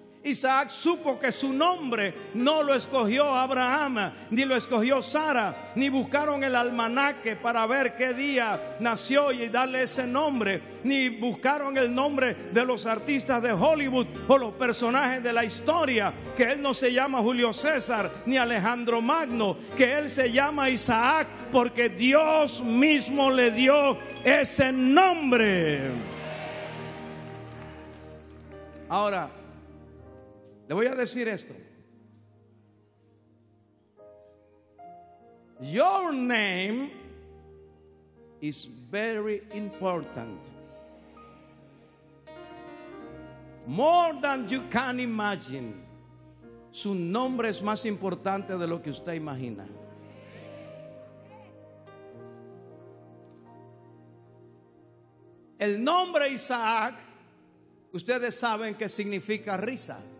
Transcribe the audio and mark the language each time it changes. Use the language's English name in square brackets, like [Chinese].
[Spanish] Isaac supo que su nombre no lo escogió Abraham, ni lo escogió Sara, ni buscaron el almanaque para ver qué día nació y darle ese nombre, ni buscaron el nombre de los artistas de Hollywood o los personajes de la historia, que él no se llama Julio César ni Alejandro Magno, que él se llama Isaac porque Dios mismo le dio ese nombre. Ahora, le voy a decir esto. [English] Your name is very important. More than you can imagine. [Spanish] Su nombre es más importante de lo que usted imagina. El nombre Isaac, ustedes saben que significa risa.